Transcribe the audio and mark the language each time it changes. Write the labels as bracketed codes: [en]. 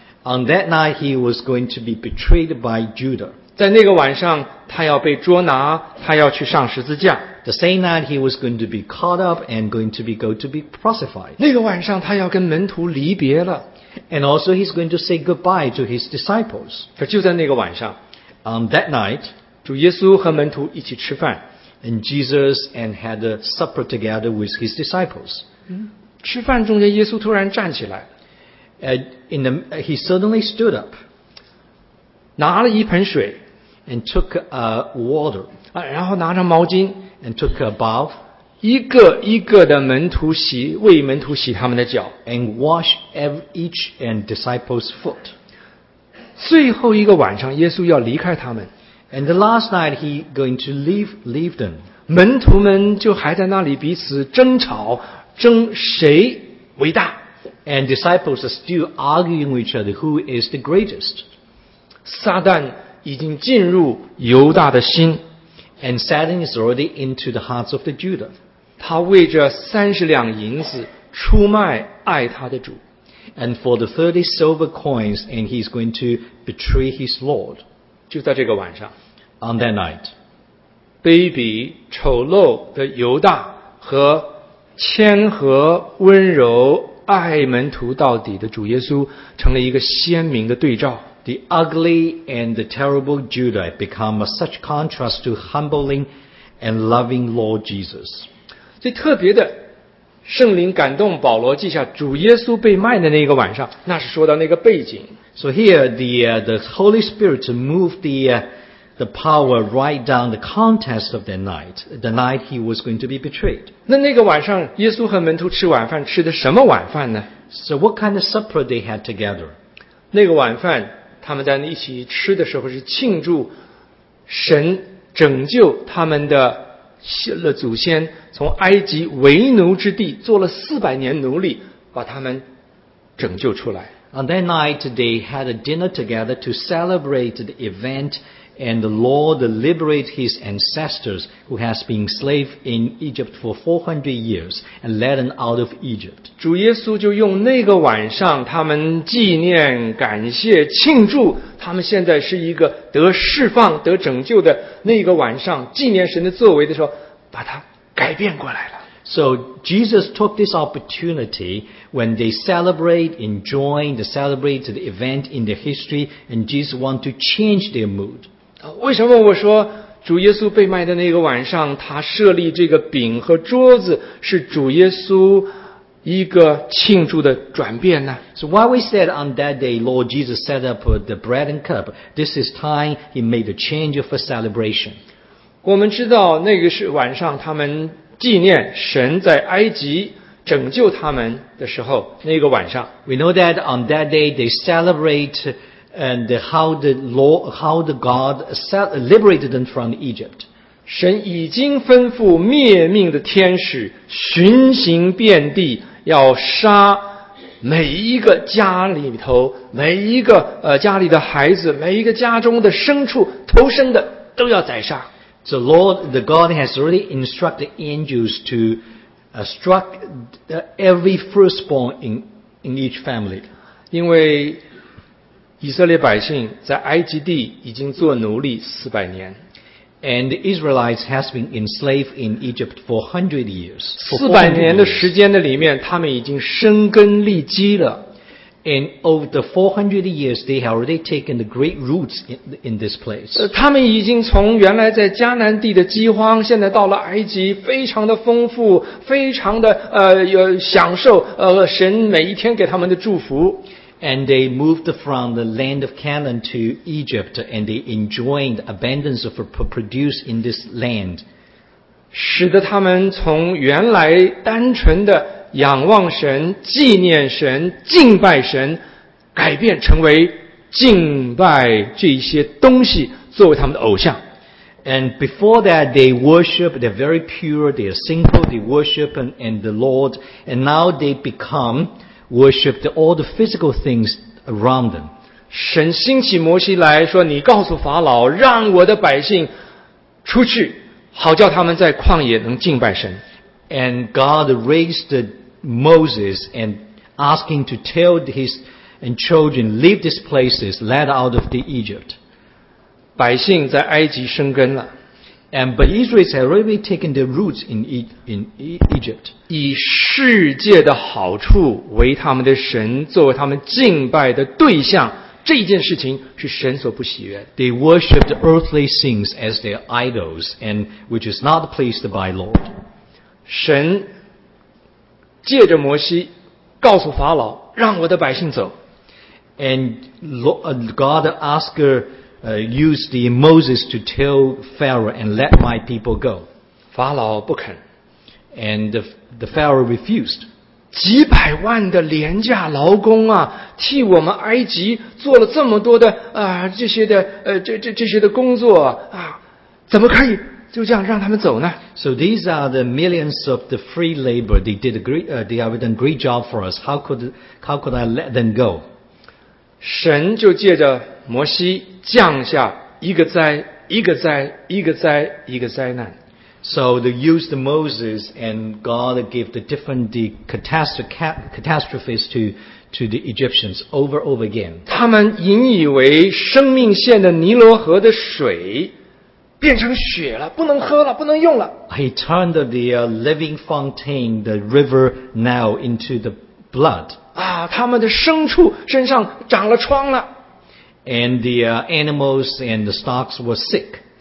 [en] On that night, he was going to be betrayed by Judah. [zh] 在那个晚上，他要被捉拿，他要去上十字架。 [en] The same night, he was going to be caught up and going to go to be crucified. [zh] 那个晚上，他要跟门徒离别了。 [en] And also, he's going to say goodbye to his disciples. [zh] 可就在那个晚上 [en] ，On that night, [zh] 主耶稣和门徒一起吃饭 [en] ，and Jesus and had a supper together with his disciples. [zh] 吃饭中间，耶稣突然站起来。 [en] He suddenly stood up, [zh] 拿了一盆水 [en] and took water, [zh] 然后拿着毛巾 [en] and took a bath, [zh] 一个一个的门徒洗为门徒洗他们的脚 [en] and wash each and disciple's foot. [zh] 最后一个晚上耶稣要离开他们。 [en] And the last night he going to leave them. [zh] 门徒们就还在那里彼此争吵，争谁伟大。 [en] And disciples are still arguing with each other who is the greatest. [zh] 撒旦已经进入犹大的心。 [en] And Satan is already into the hearts of the Judah. [zh] 他为这30两银子出卖爱他的主。 [en] And for the 30 silver coins, and he's going to betray his Lord. [zh] 就在这个晚上。 [en] On that night. [zh] 卑鄙丑陋的犹大和谦和温柔爱门徒到底的主耶稣成了一个鲜明的对照。 [en] The ugly and the terrible Judah become a such contrast to humbling and loving Lord Jesus. [zh] 最特别的，圣灵感动保罗记下主耶稣被卖的那个晚上，那是说到那个背景。 [en] So here the Holy Spirit moved the power right down the context of that night, the night he was going to be betrayed. [zh] 那个晚上，耶稣和门徒吃晚饭，吃的什么晚饭呢？ [en] So what kind of supper they had together? [zh] 那个晚饭他们在一起吃的时候是庆祝神拯救他们的祖先从埃及为奴之地做了400年奴隶把他们拯救出来。 [en] On that night, they had a dinner together to celebrate the event and the Lord liberate his ancestors who has been slave in Egypt for 400 years and led them out of Egypt. [zh] 主耶稣就用那个晚上他们纪念感谢庆祝他们现在是一个得释放得拯救的那个晚上纪念神的作为的时候把它改变过来了。 [en] So Jesus took this opportunity when they celebrate and join the celebrated event in the history and Jesus wanted to change their mood. [zh] 为什么我说主耶稣被卖的那个晚上他设立这个饼和桌子是主耶稣一个庆祝的转变呢？ [en] So why we said on that day Lord Jesus set up the bread and cup, this is time he made a change of a celebration. [zh] 我们知道那个是晚上他们纪念神在埃及拯救他们的时候那个晚上。 [en] We know that on that day they celebrate and how the God liberated them from Egypt. [zh] 神已经吩咐灭命的天使巡行遍地要杀每一个家里头每一个家里的孩子每一个家中的牲畜头生的都要宰杀。 [en] So Lord, the God has already instructed angels to struck every firstborn in each family. [zh] 因为以色列百姓在埃及地已经做奴隶400年。 [en] And the Israelites has been enslaved in Egypt for 100 years. [zh] 400年的时间的里面他们已经生根立基了。 [en] And over the 400 years, they have already taken the great roots in this place. [zh] 他们已经从原来在迦南地的饥荒，现在到了埃及，非常的丰富，非常的享受神每一天给他们的祝福。 [en] And they moved from the land of Canaan to Egypt, and they enjoyed the abundance of produce in this land. [zh] 使得他们从原来单纯的仰望神纪念神敬拜神改变成为敬拜这些东西作为他们的偶像。 [en] And before that they worship, they're very pure, they're simple, they worship and the Lord, and now they become worship all the physical things around them. [zh] 神兴起摩西来说你告诉法老让我的百姓出去好叫他们在旷野能敬拜神。 [en] And God raised Moses and asking to tell his and children leave these places, led out of the Egypt. [zh] 百姓在埃及生根了。 [en] But Israelites have already taken their roots in Egypt. [zh] 以世界的好处为他们的神作为他们敬拜的对象这件事情是神所不喜悦的。 [en] They worshipped earthly things as their idols and which is not pleased by Lord. [zh] 神借着摩西告诉法老让我的百姓走。 [en] And God asked used Moses to tell Pharaoh and let my people go. [zh] 法老不肯。 [en] And the Pharaoh refused. [zh] 几百万的廉价劳工啊，替我们埃及做了这么多的这些的工作啊，怎么可以就这样让他们走呢？ [en] So these are the millions of the free labor. They did a great, they have done a great job for us. How could I let them go? [zh] 神就借着摩西降下一个灾，一个灾，一个灾，一个灾难。 [en] So they used Moses and God gave the different the catastrophes to the Egyptians over and over again. [zh] 他们引以为生命线的尼罗河的水变成血了，不能喝了，不能用了。 [en] He turned the living fountain, the river Nile, into the blood. [zh] 啊，他们的牲畜身上长了疮了。 [en] And the animals and the stocks were sick.